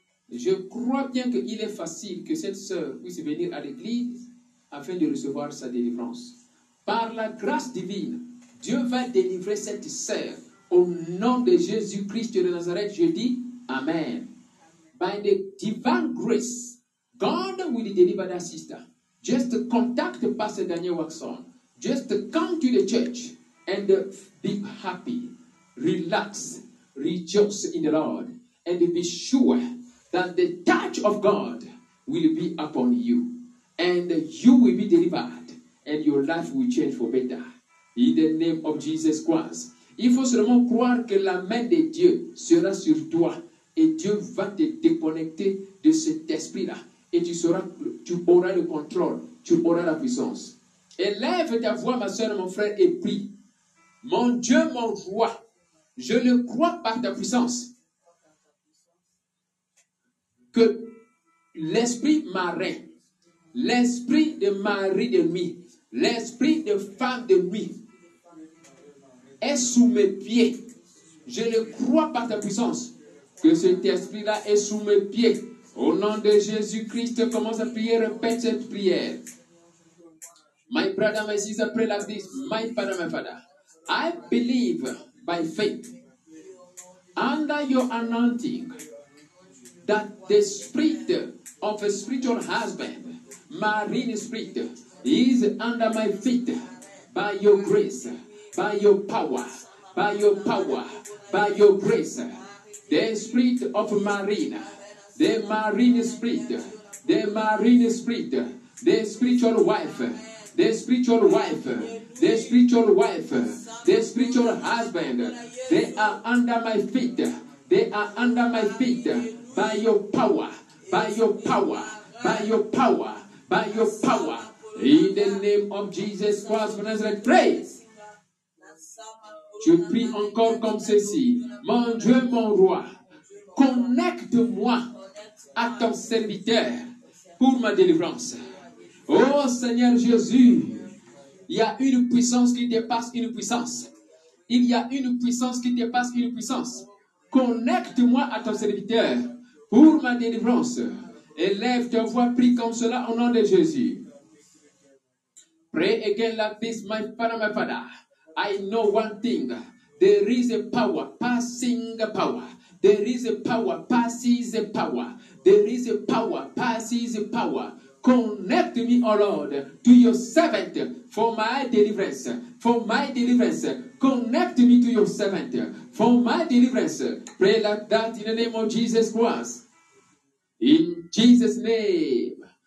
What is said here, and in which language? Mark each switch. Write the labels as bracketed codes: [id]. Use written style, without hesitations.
[fr] Je crois bien qu'il est facile que cette sœur puisse venir à l'église afin de recevoir sa délivrance. Par la grâce divine, Dieu va délivrer cette sœur. Au nom de Jésus-Christ de Nazareth, je dis Amen. [en] By the divine grace, God will deliver that sister. Just contact Pastor Daniel Watson. Just come to the church and be happy, relax, rejoice in the Lord, and be sure that the touch of God will be upon you, and you will be delivered, and your life will change for better. In the name of Jesus Christ, [fr] il faut seulement croire que la main de Dieu sera sur toi, et Dieu va te déconnecter de cet esprit-là, et tu auras le contrôle, tu auras la puissance. Élève ta voix, ma soeur, mon frère, et prie. Mon Dieu, mon roi, je le crois par ta puissance. Que l'esprit marin, l'esprit de mari de nuit, l'esprit de femme de nuit est sous mes pieds. Je le crois par ta puissance que cet esprit-là est sous mes pieds. Au nom de Jésus-Christ, commence à prier, répète cette prière. [en] My brother, my sister, pray like this. My father, my father. I believe by faith under your anointing that the spirit of a spiritual husband, marine spirit, is under my feet by your grace, by your power, by your power, by your grace, the spirit of Marina, the Marine spirit, the Marine spirit, the spiritual wife, the spiritual wife, the spiritual wife, the spiritual husband, they are under my feet, they are under my feet, by your power, by your power, by your power, by your power. In the name of Jesus Christ of Nazareth, pray. [fr] Je prie encore comme ceci. Mon Dieu, mon roi, connecte-moi à ton serviteur pour ma délivrance. Oh Seigneur Jésus, il y a une puissance qui dépasse une puissance. Il y a une puissance qui dépasse une puissance. Connecte-moi à ton serviteur pour ma délivrance. Élève ta voix, prie comme cela au nom de Jésus. [en] Pray again like this, my father, I know one thing, there is a power, passing power, there is a power, passes a power, there is a power, passes a power, connect me, O Lord, to your servant for my deliverance, connect me to your servant for my deliverance, pray like that in the name of Jesus Christ, in Jesus' name.